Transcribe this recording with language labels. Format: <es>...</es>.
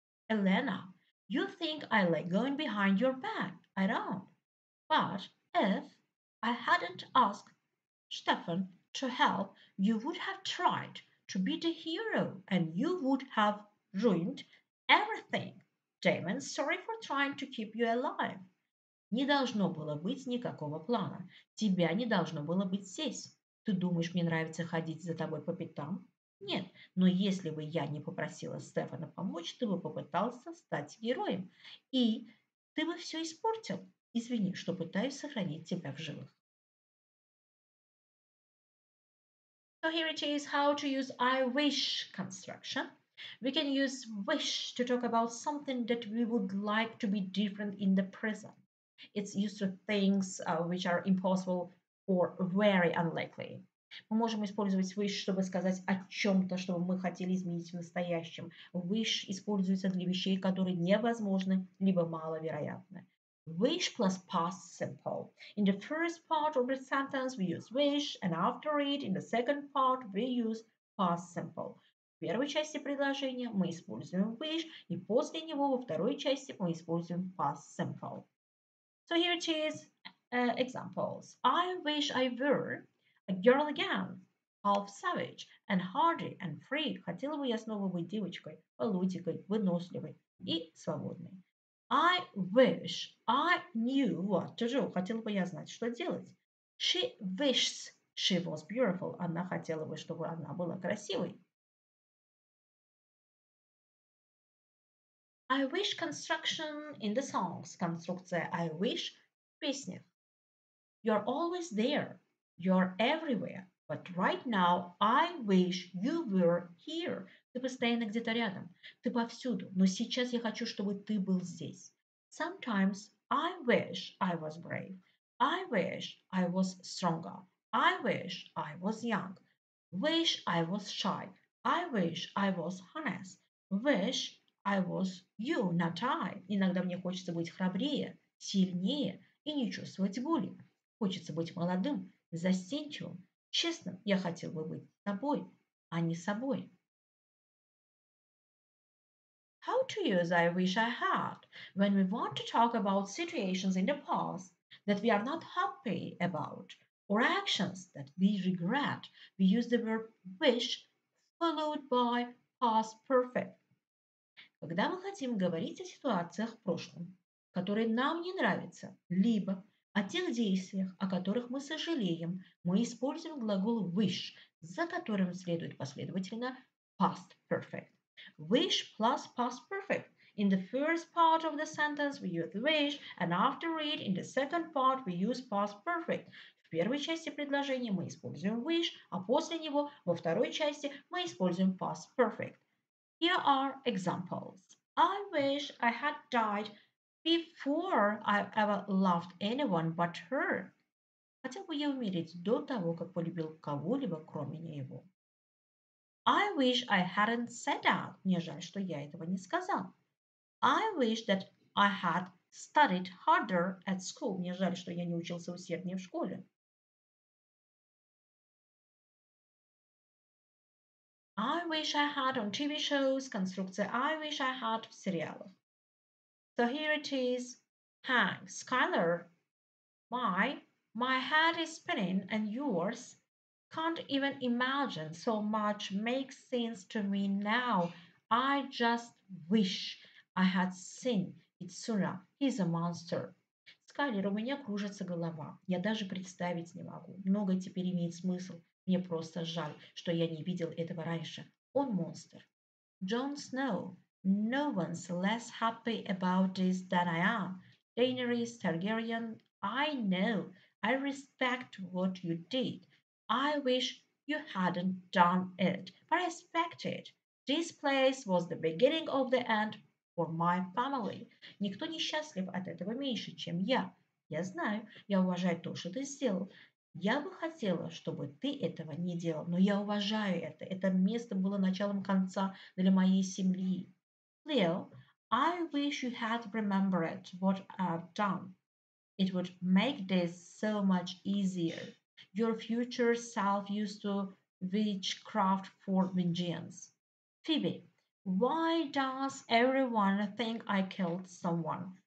<en>Elena, you think I like going behind your back. I don't. But if I hadn't asked Stefan to help, you would have tried to be the hero and you would have ruined everything. Damon, sorry for trying to keep you alive.</en> <ru>Не должно было быть никакого плана. Тебя не должно было быть здесь. Ты думаешь, мне нравится ходить за тобой по пятам? Нет, но если бы я не попросила Стефана помочь, ты бы попытался стать героем. И ты бы все испортил. Извини, что пытаюсь сохранить тебя в живых.</ru> <en>So here it is, how to use I wish construction. We can use wish to talk about something that we would like to be different in the present. It's used to things which are impossible or very unlikely.</en> <ru>Мы можем использовать wish, чтобы сказать о чем-то, что мы хотели изменить в настоящем. Wish используется для вещей, которые невозможны, либо маловероятны.</ru> <en>Wish plus past simple. In the first part of the sentence we use wish, and after it, in the second part, we use past simple.</en> <ru>В первой части предложения мы используем wish, и после него во второй части мы используем past simple.</ru> <en>So here it is, examples. I wish I were a girl again, half savage and hardy and free.</en> <ru>Хотела бы я снова быть девочкой, полудикой, выносливой и свободной.</ru> <en>I wish I knew what to do.</en> <ru>Хотела бы я знать, что делать.</ru> <en>She wishes she was beautiful.</en> <ru>Она хотела бы, чтобы она была красивой.</ru> <en>I wish construction in the songs.</en> <ru>Конструкция I wish в песнях.</ru> <en>You're always there. You're everywhere. But right now I wish you were here.</en> <ru>Ты постоянно где-то рядом. Ты повсюду. Но сейчас я хочу, чтобы ты был здесь.</ru> <en>Sometimes I wish I was brave. I wish I was stronger. I wish I was young. Wish I was shy. I wish I was honest. Wish I was you, not I.</en> <ru>Иногда мне хочется быть храбрее, сильнее и не чувствовать боли. Хочется быть молодым, застенчивым, честным. Я хотел бы быть тобой, а не собой.</ru> <en>How to use I wish I had when we want to talk about situations in the past that we are not happy about or actions that we regret. We use the verb wish followed by past perfect.</en> <ru>Когда мы хотим говорить о ситуациях в прошлом, которые нам не нравятся, либо о тех действиях, о которых мы сожалеем, мы используем глагол wish, за которым следует последовательно past perfect.</ru> <en>Wish plus past perfect. In the first part of the sentence we use wish, and after it, in the second part, we use past perfect.</en> <ru>В первой части предложения мы используем wish, а после него, во второй части, мы используем past perfect.</ru> <en>Here are examples. I wish I had died before I ever loved anyone but her.</en> <ru>Хотел бы я умереть до того, как полюбил кого-либо, кроме него.</ru> <en>I wish I hadn't said that.</en> <ru>Мне жаль, что я этого не сказал.</ru> <en>I wish that I had studied harder at school.</en> <ru>Мне жаль, что я не учился усерднее в школе.</ru> <en>I wish I had on TV shows.</en> <ru>Конструкция I wish I had в сериалах.</ru> <en>So here it is. Hank, Skyler, my head is spinning and yours. Can't even imagine so much makes sense to me now. I just wish I had seen it sooner. He's a monster.</en> <ru>Скайлер, у меня кружится голова. Я даже представить не могу. Многое теперь имеет смысл. Мне просто жаль, что я не видел этого раньше. Он монстр.</ru> <en>Jon Snow. No one's less happy about this than I am. Daenerys Targaryen. I know. I respect what you did. I wish you hadn't done it, but I expect it. This place was the beginning of the end for my family.</en> <ru>Никто не счастлив от этого меньше, чем я. Я знаю, я уважаю то, что ты сделал. Я бы хотела, чтобы ты этого не делал, но я уважаю это. Это место было началом конца для моей семьи.</ru> <en>Leo, I wish you had remembered what I've done. It would make this so much easier. Your future self used to witchcraft for vengeance. Phoebe, why does everyone think I killed someone?</en>